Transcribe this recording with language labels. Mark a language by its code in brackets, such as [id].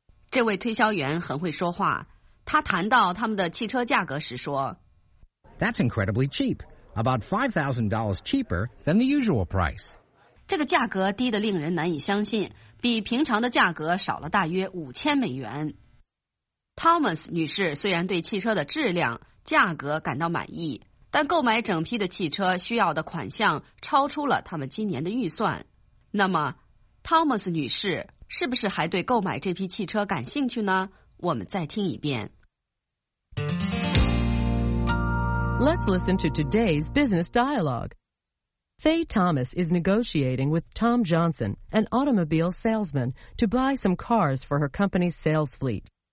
[zh] 这位推销员很会说话，他谈到他们的汽车价格时说， [en] That's incredibly cheap, about $5,000 cheaper than the usual price. [zh] 这个价格低得令人难以相信，比平常的价格少了大约$5,000。 Thomas 女士虽然对汽车的质量、价格感到满意，但购买整批的汽车需要的款项超出了他们今年的预算。那么 ，Thomas 女士是不是还对购买这批汽车感兴趣呢？我们再听一遍。 [en] Let's listen to today's business dialogue. Faye Thomas is negotiating with Tom Johnson, an automobile salesman, to buy some cars for her company's sales fleet.